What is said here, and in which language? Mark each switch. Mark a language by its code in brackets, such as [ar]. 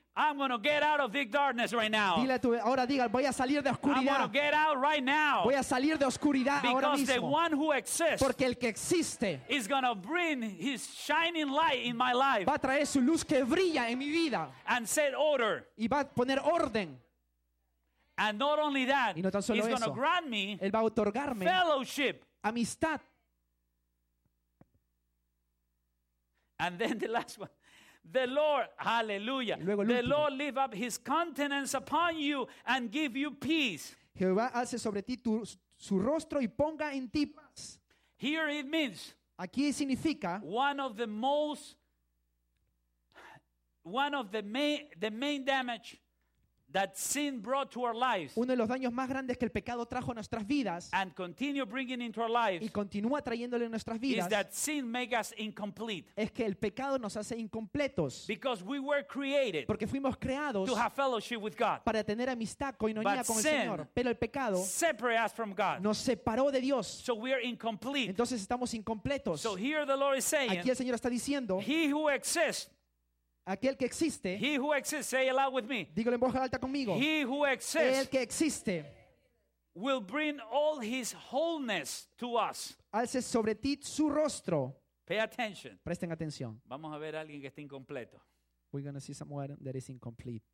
[en] I'm going to get out of this darkness right now. [es] Dile tú, ahora diga, voy a salir de oscuridad. [en] I'm going to get out right now. [es] Voy a salir de oscuridad [en] because [es] ahora mismo. [en] The one who exists [es] porque el que existe [en] is going to bring his shining light in my life. [es] Va a traer su luz que brilla en mi vida. [en] And set order. [es] Y va a poner orden. [en] And not only that, [es] y no tan solo [en] he's going to grant me [es] él va a otorgarme [en] fellowship. [es] Amistad. [en] And then the last one. The Lord, hallelujah. [es] Luego, [en] the Lord lift up his countenance upon you and give you peace. [es] Jehová alce sobre ti su rostro y ponga en ti paz. [en] Here it means. [es] Aquí significa [en] one of the main damage that sin brought to our lives. [es] Uno de los daños más grandes que el pecado trajo a nuestras vidas. [en] And continue bringing into our lives. [es] Y continúa trayéndole a nuestras vidas. [en] Is that sin makes us incomplete. [es] Es que el pecado nos hace incompletos. [en] Because we were created. [es] Porque fuimos creados. [en] To have fellowship with God. [es] Para tener amistad, koinonía con el Señor. Pero el pecado. [en] Separated us from God. [es] Nos separó de Dios. [en] So we are incomplete. [es] Entonces estamos incompletos. [en] So here the Lord is saying. [es] Aquí el Señor está diciendo. [en] He who exists. [es] Aquel que existe. [en] He who exists, say aloud with me. [es] Dígalo en voz alta conmigo. [en] He who exists. [es] El que existe. [en] Will bring all his wholeness to us. [es] Alce sobre ti su rostro. [en] Pay attention. [es] Presten atención. Vamos a ver a alguien que está incompleto. [en] We're going to see someone that is incomplete.